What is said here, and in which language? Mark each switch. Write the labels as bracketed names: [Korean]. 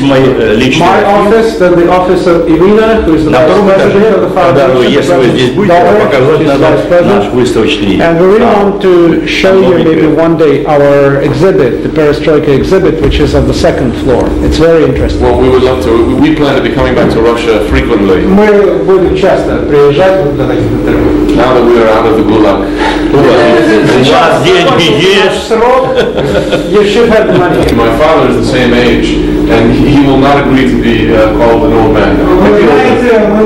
[English] my office, then the office of Irina, who is the vice president of the foundation. [Russian] Да, если вы здесь будете, показать надо наш выставочный. [English] And we really want to show you maybe one day our exhibit, the Perestroika exhibit, which is on the second floor. It's very interesting. Well, we would love to. We plan to be coming back to Russia frequently. [Russian] Мы будем часто приезжать для таких интервью. [English] Now that we are out of the gulag. You should have the money. My father is the same age, and he will not agree to be called an old man.